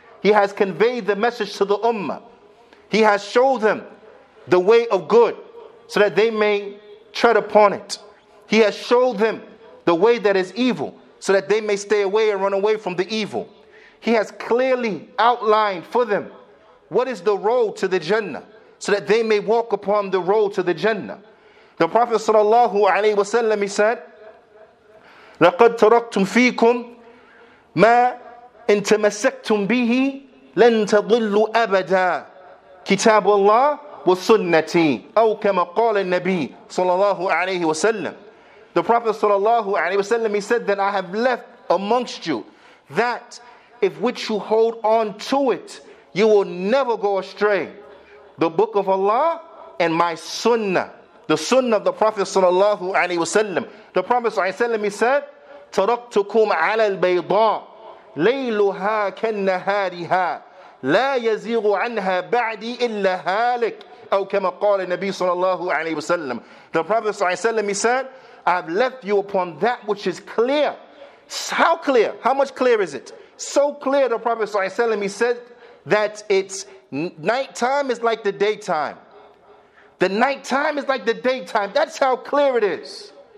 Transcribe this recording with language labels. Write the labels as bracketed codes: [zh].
[en] He has conveyed the message to the ummah. He has showed them the way of good so that they may tread upon it. He has showed them the way that is evil so that they may stay away and run away from the evil. He has clearly outlined for them what is the road to the Jannah so that they may walk upon the road to the Jannah. The Prophet sallallahu alaihi wasallam, he said, [ar] لَقَدْ تَرَكْتُمْ فِيكُمْ مَا إن تمسكتم به لن تضلوا أبدا كتاب الله وسنتي أو كما قال النبي صلى الله عليه وسلم. [en] The Prophet [ar] صلى الله عليه وسلم, [en] he said that I have left amongst you that if which you hold on to it, you will never go astray. The book of Allah and my sunnah. The sunnah of the Prophet sallallahu alayhi wa sallam. The Prophet sallallahu alayhi wa sallam, he said, [ar] تَرَكْتُكُمْ عَلَى الْبَيْضَاءِ لَيْلُهَا كَنَّهَارِهَا لَا يَزِيغُ عَنْهَا بَعْدِي إِلَّا هَالِكِ أَوْ كَمَا قَالَ النَّبِيُّ sallallahu alayhi wa sallam. [en] The Prophet sallallahu alayhi wa sallam, he said, I've left you upon that which is clear. How clear? How much clear is it? So clear, the Prophet sallallahu alayhi wa sallam, he said, that it's nighttime is like the daytime. The nighttime is like the daytime. That's how clear it is.